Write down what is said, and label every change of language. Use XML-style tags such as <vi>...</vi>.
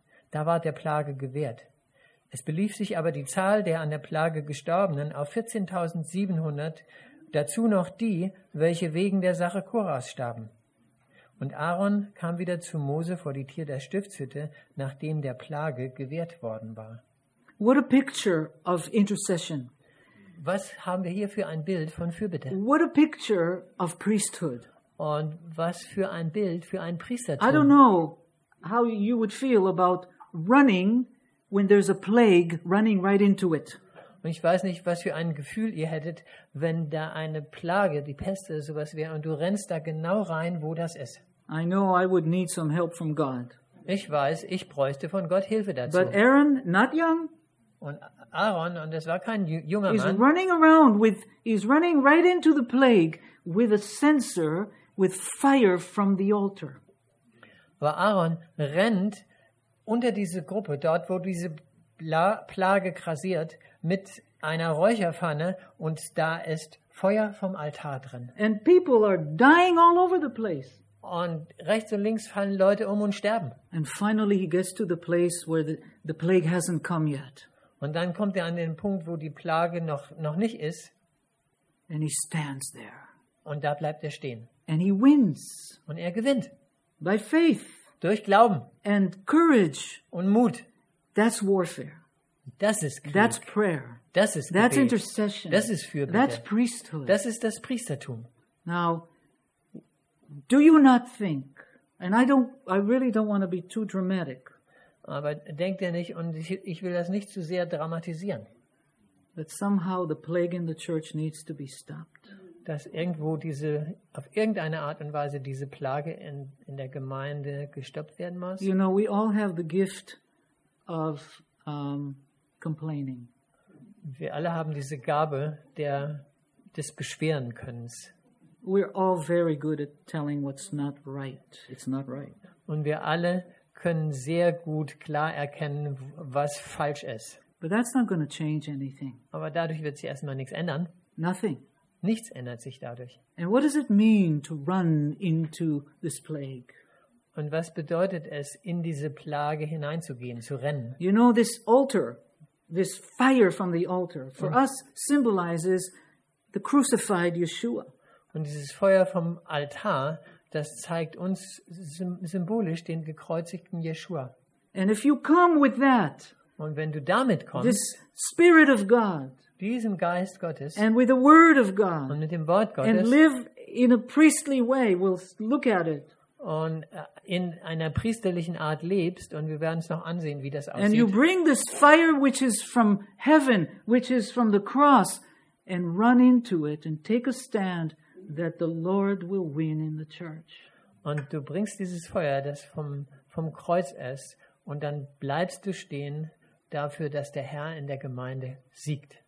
<de>Da ward der Plage gewehrt. Es belief sich aber die Zahl der an der Plage Gestorbenen auf 14.700, dazu noch die, welche wegen der Sache Korahs starben. Und Aaron kam wieder zu Mose vor die Tür der Stiftshütte, nachdem der Plage gewehrt worden war.</de> <en>What a picture of intercession.</en> <de>Was haben wir hier für ein Bild von Fürbitte?</de> <en>What a picture of priesthood.</en> <de>Und was für ein Bild für ein Priestertum.</de> <en>I don't know how you would feel about running when there's a plague running right into it.</en> <de>Und ich weiß nicht, was für ein Gefühl ihr hättet, wenn da eine Plage, die Pest oder sowas wäre und du rennst da genau rein, wo das ist.</de> <en>I know I would need some help from God.</en> <de>Ich weiß, ich bräuchte von Gott Hilfe dazu.</de> <en>But Aaron, not young,</en> <de>und Aaron, und das war kein junger Mann,</de> <en>is running around with, he's running right into the plague with a censer with fire from the altar.</en> <de>Aber Aaron rennt unter diese Gruppe, dort wo diese Plage krasiert, mit einer Räucherpfanne, und da ist Feuer vom Altar drin.</de> <en>And people are dying all over the place.</en> <de>Und rechts und links fallen Leute um und sterben.</de> <en>And finally he gets to the place where the plague hasn't come yet.</en> <de>Und dann kommt er an den Punkt, wo die Plage noch nicht ist.</de> <en>And he stands there.</en> <de>Und da bleibt er stehen.</de> <en>And he wins.</en> <de>Und er gewinnt.</de> <en>By faith.</en> <de>Durch Glauben.</de> <en>And courage.</en> <de>Und Mut.</de> <en>That's warfare.</en> <de>Das ist Krieg.</de> <en>That's prayer.</en> <de>Das ist Gebet.</de> <en>That's intercession.</en> <de>Das ist Fürbitte.</de> <en>That's priesthood.</en> <de>Das ist das Priestertum.</de> <en>Now, do you not think? And I really don't want to be too dramatic.</en> <de>Aber denk dir nicht, und ich will das nicht zu sehr dramatisieren.</de> <en>That somehow the plague in the church needs to be stopped.</en> <de>Dass irgendwo diese, auf irgendeine Art und Weise diese Plage in der Gemeinde gestoppt werden muss.</de> <en>You know, we all have the gift of complaining.</en> <de>Wir alle haben diese Gabe des Beschwerenkönnens.</de> <en>We're all very good at telling what's not right. It's not right.</en> <de>Und wir alle können sehr gut klar erkennen, was falsch ist.</de> <en>But that's not going to change anything.</en> <de>Aber dadurch wird sich erstmal nichts ändern.</de> <en>Nothing.</en> <de>Nichts ändert sich dadurch.</de> <en>And what does it mean to run into this plague?</en> <de>Und was bedeutet es, in diese Plage hineinzugehen, zu rennen?</de> <en>You know, this altar, this fire from the altar, for us symbolizes the crucified Yeshua.</en> <de>Und dieses Feuer vom Altar, das zeigt uns symbolisch den gekreuzigten Yeshua.</de> <en>And if you come with that,</en> <de>und wenn du damit kommst,</de> <en>this Spirit of God,</en> <de>diesem Geist Gottes,</de> <en>and with the Word of God,</en> <de>und mit dem Wort Gottes,</de> <en>and live in a priestly way, we'll look at it,</en> <de>und in einer priesterlichen Art lebst, und wir werden es noch ansehen, wie das aussieht.</de> <en>And you bring this fire which is from heaven, which is from the cross, and run into it and take a stand that the Lord will win in the church.</en> <de>Und du bringst dieses Feuer, das vom Kreuz ist, und dann bleibst du stehen dafür, dass der Herr in der Gemeinde siegt.</de>